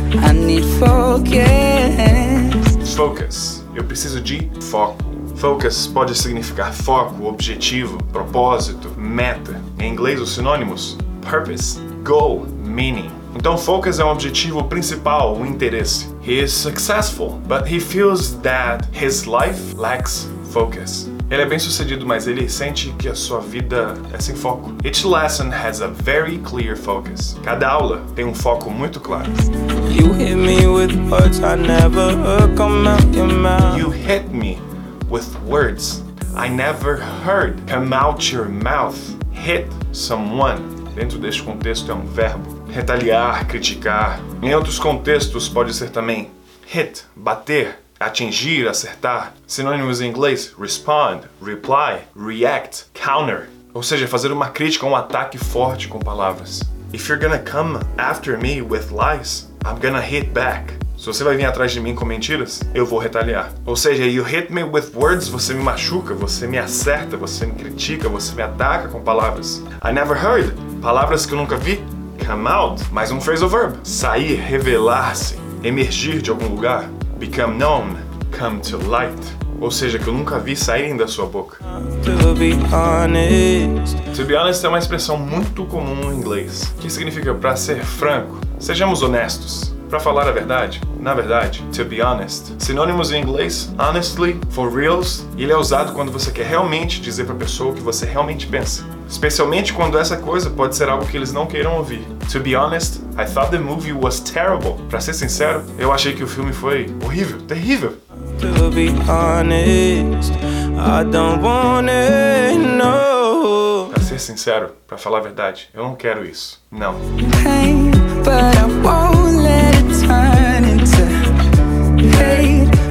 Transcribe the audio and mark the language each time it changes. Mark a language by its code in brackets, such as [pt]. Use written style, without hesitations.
[en] I need focus. [pt] Focus. Eu preciso de foco. Focus pode significar foco, objetivo, propósito, meta. Em inglês, os sinônimos: [en] purpose, goal, meaning. [pt] Então, focus é um objetivo principal, um interesse. [en] He is successful, but he feels that his life lacks focus. [pt] Ele é bem sucedido, mas ele sente que a sua vida é sem foco. [en] Each lesson has a very clear focus. [pt] Cada aula tem um foco muito claro. [en] You hit me with words I never heard come out your mouth. You hit me with words I never heard come out your mouth. Hit someone. [pt] Dentro deste contexto é um verbo. Retaliar, criticar. Em outros contextos pode ser também hit, bater, atingir, acertar. Sinônimos em inglês: [en] respond, reply, react, counter. [pt] Ou seja, fazer uma crítica, um ataque forte com palavras. [en] If you're gonna come after me with lies, I'm gonna hit back. [pt] Se você vai vir atrás de mim com mentiras, eu vou retaliar. Ou seja, [en] you hit me with words, [pt] você me machuca, você me acerta, você me critica, você me ataca com palavras. [en] I never heard, [pt] palavras que eu nunca vi. [en] Come out, [pt] mais um phrasal verb. Sair, revelar-se, emergir de algum lugar. [en] Become known, come to light. [pt] Ou seja, que eu nunca vi saírem da sua boca. [en] To be honest [pt] é uma expressão muito comum em inglês, que significa pra ser franco. Sejamos honestos. Pra falar a verdade, na verdade, [en] to be honest. [pt] Sinônimos em inglês: [en] honestly, for reals. [pt] Ele é usado quando você quer realmente dizer pra pessoa o que você realmente pensa. Especialmente quando essa coisa pode ser algo que eles não queiram ouvir. [en] To be honest, I thought the movie was terrible. [pt] Pra ser sincero, eu achei que o filme foi horrível, terrível. [en] To be honest, I don't want it, no. [pt] Pra ser sincero, pra falar a verdade, eu não quero isso, não. [en] Pain, but I won't let it turn into hate.